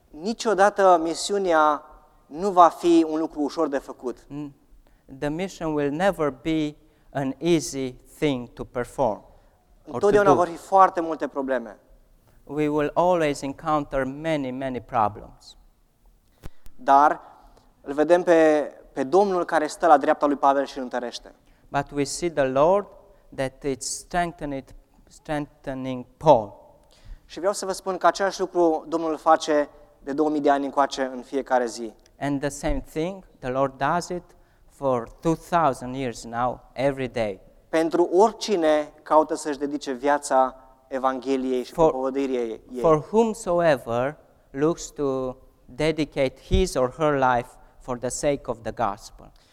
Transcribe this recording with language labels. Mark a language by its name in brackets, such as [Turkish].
[Romanian] Niciodată misiunea nu va fi un lucru ușor de făcut. [English] The mission will never be an easy thing to perform. [Romanian] Întotdeauna vor fi foarte multe probleme. [English] We will always encounter many, many problems. [Romanian] Dar îl vedem pe Domnul care stă la dreapta lui Pavel și îl întărește. [English] But we see the Lord that it's strengthening Paul. [Romanian] Și vreau să vă spun că același lucru Domnul face de 2000 de ani încoace în fiecare zi. [English] And the same thing, the Lord does it for 2000 years now every day. [Romanian] Pentru oricine caută să-și dedice viața Evangheliei și propovăduirii ei. [English] For whomsoever looks to dedicate his or her life for the sake of the gospel.